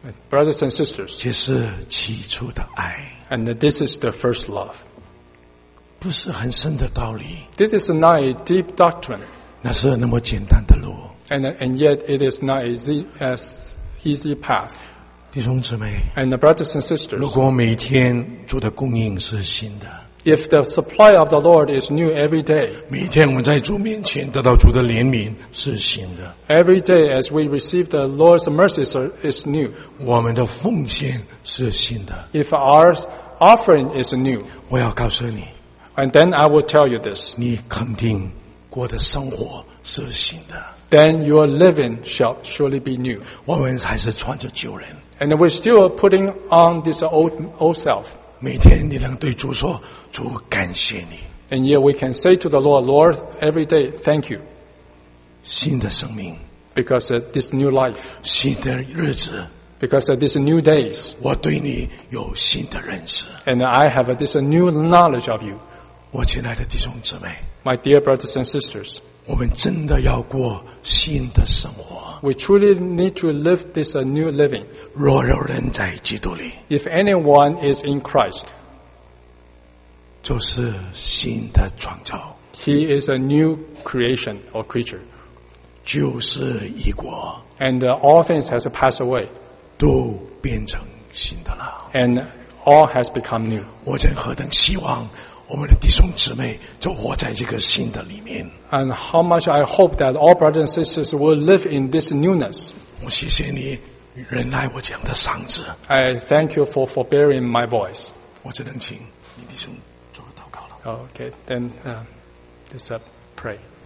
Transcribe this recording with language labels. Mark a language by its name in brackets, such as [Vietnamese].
[English] Brothers and sisters. [Chinese] 这是起初的爱。 [English] And this is the first love. [Chinese] 不是很深的道理。 [English] This is not a deep doctrine. [Chinese] 那是那么简单的路。 [English] And yet it is not an easy path. [Chinese] 弟兄姊妹。 [English] And brothers and sisters. [Chinese] 如果每天主的供应是新的。 [English] If the supply of the Lord is new every day. [Chinese] 每天我们在主面前得到主的怜悯是新的。 [English] Every day as we receive the Lord's mercies is new. [Chinese] 我们的奉献是新的。 [English] If our offering is new. [Chinese] 我要告诉你。 [English] And then I will tell you this. [Chinese] 你肯定过的生活是新的。 [English] Then your living shall surely be new. [Chinese] 我们还是穿着旧人。 [English] And we're still putting on this old self. [Chinese] 每天你能对主说，主感谢你。 [English] And yet we can say to the Lord, Lord, every day, thank you. [Chinese] 新的生命。 [English] Because of this new life. [Chinese] 新的日子。 [English] Because of these new days. [Chinese] 我对你有新的认识。 [English] And I have this new knowledge of you. [Chinese] 我亲爱的弟兄姊妹 [English] My dear brothers and sisters, [Chinese] 我们真的要过新的生活。 [English] We truly need to live this new living. [Chinese] 若有人在基督里 [English] If anyone is in Christ, [Chinese] 就是新的创造。 [English] He is a new creation or creature. [Chinese] 旧事已过 [English] And all things has passed away. [Chinese] 都变成新的了 [English] And all has become new. [Chinese] 我真何等希望我们的弟兄姊妹就活在这个新的里面。 [English] And how much I hope that all brothers and sisters will live in this newness. [Chinese] 我谢谢你忍耐我讲的嗓子。 [English] I thank you for forbearing my voice. [Chinese] 我只能请你弟兄做个祷告了。 [English] Okay, then let's pray.